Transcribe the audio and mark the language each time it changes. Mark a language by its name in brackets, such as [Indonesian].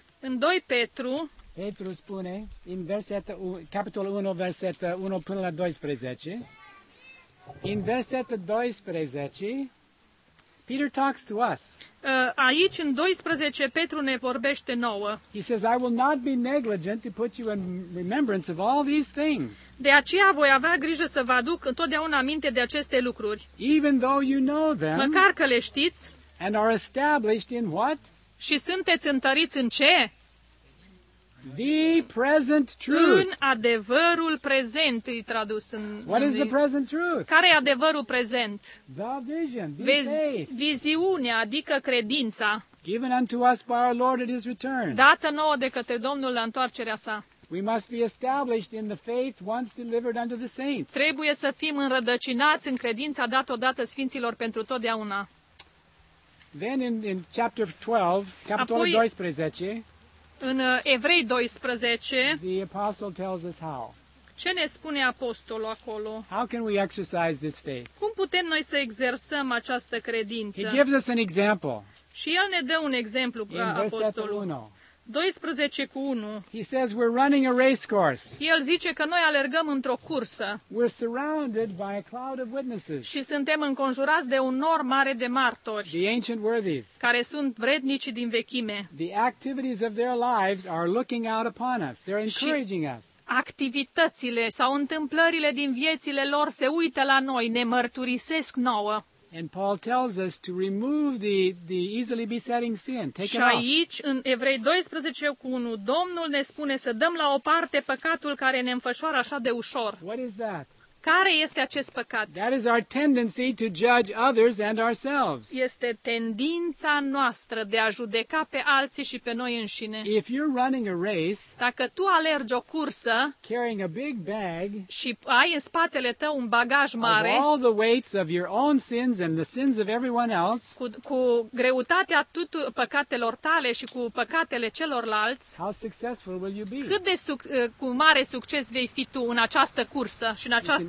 [Romanian] În 2 Petru. Petru spune, în capitolul 1, versetul 1 până la 12, în versetul 12, [English] Peter talks to us. [Romanian] Aici, în 12, Petru ne vorbește nouă. [English] He says, I will not be negligent to put you in remembrance of all these things. [Romanian] De aceea voi avea grijă să vă aduc întotdeauna aminte de aceste lucruri. [English] Even though you know them. [Romanian] Măcar că le știți. [English] And are established in what? [Romanian] Și sunteți întăriți în ce? [English] The present truth. [Romanian] În adevărul prezent e tradus în. [English] What is the present truth? [Romanian] Care e adevărul prezent? [English] The vision, the faith. [Romanian] Viziunea, adică credința. [English] Given unto us by our Lord at His return. [Romanian] Dată nouă de către Domnul la întoarcerea sa. [English] We must be established in the faith once delivered unto the saints. [Romanian] Trebuie să fim înrădăcinați în credința dată odată sfinților pentru totdeauna. [English] Then in chapter 12, [Romanian] capitolul 12. În Evrei 12, [English] the apostle tells us how. [Romanian] Ce ne spune apostolul acolo? [English] How can we exercise this faith? [Romanian] Cum putem noi să exersăm această credință? [English] He gives us an example. [Romanian] Și el ne dă un exemplu, [English] in [Romanian] apostolul. 12:1. [English] He says we're running a race course. [Romanian] El zice că noi alergăm într-o cursă. [English] We're surrounded by a cloud of witnesses. [Romanian] Și suntem înconjurați de un nor mare de martori. [English] The ancient worthies. [Romanian] Care sunt vrednicii din vechime. [English] The activities of their lives are looking out upon us. They're encouraging us. [Romanian] Activitățile sau întâmplările din viețile lor se uită la noi, ne mărturisesc nouă. [English] And Paul tells us to remove the easily besetting sin. Take it off. [Romanian] Și aici în Evrei 12:1, Domnul ne spune să dăm la o parte păcatul care ne înfășoară așa de ușor. [English] What is that? [Romanian] Care este acest păcat? [English] That is our tendency to judge others and ourselves. [Romanian] Este tendința noastră de a judeca pe alții și pe noi înșine. [English] If you're running a race, [Romanian] dacă tu alergi o cursă, [English] carrying a big bag, [Romanian] și ai în spatele tău un bagaj mare, [English] of all the weights of your own sins and the sins of everyone else, [Romanian] cu greutatea tuturor păcatelor tale și cu păcatele celorlalți, [English] how successful will you be? [Romanian] Cât de cu mare succes vei fi tu în această cursă și în această